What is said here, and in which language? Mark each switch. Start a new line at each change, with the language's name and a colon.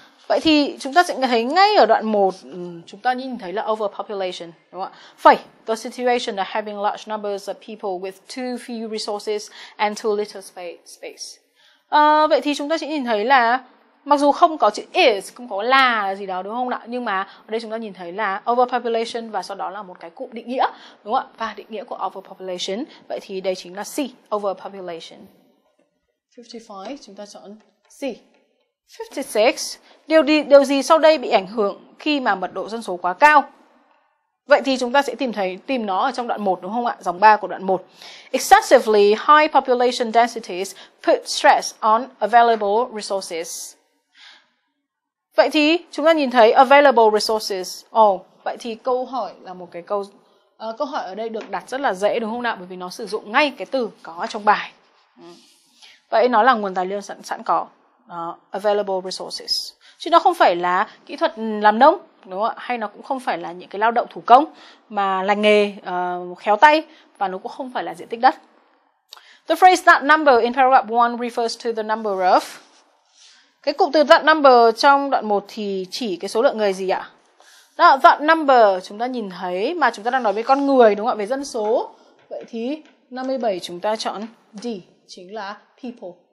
Vietnamese: Vậy thì chúng ta sẽ thấy ngay ở đoạn 1, chúng ta nhìn thấy là overpopulation, đúng không ạ?
English: Phải, the situation of having large numbers of people with too few resources and too little space.
Vietnamese: Vậy thì chúng ta sẽ nhìn thấy là, mặc dù không có chữ is, không có là gì đó đúng không ạ? Nhưng mà ở đây chúng ta nhìn thấy là overpopulation và sau đó là một cái cụm định nghĩa, đúng không ạ? Và định nghĩa của overpopulation, vậy thì đây chính là C, overpopulation. 55, chúng ta chọn C. 56. Điều gì sau đây bị ảnh hưởng khi mà mật độ dân số quá cao? Vậy thì chúng ta sẽ tìm nó ở trong đoạn 1 đúng không ạ? Dòng 3 của đoạn 1.
English: Excessively high population densities put stress on available resources.
Vietnamese: Vậy thì chúng ta nhìn thấy available resources. Vậy thì câu hỏi là một cái câu câu hỏi ở đây được đặt rất là dễ đúng không nào? Bởi vì nó sử dụng ngay cái từ có ở trong bài. Vậy nó là nguồn tài nguyên sẵn có. Available resources. Chứ nó không phải là kỹ thuật làm nông, đúng không ạ? Hay nó cũng không phải là những cái lao động thủ công mà là nghề khéo tay, và nó cũng không phải là diện tích đất.
English: The phrase that number in paragraph 1 refers to the number of.
Vietnamese: Cái cụm từ that number trong đoạn 1 thì chỉ cái số lượng người gì ạ? That number chúng ta nhìn thấy mà chúng ta đang nói về con người đúng không ạ? Về dân số. Vậy thì 57 chúng ta chọn D, chính là people.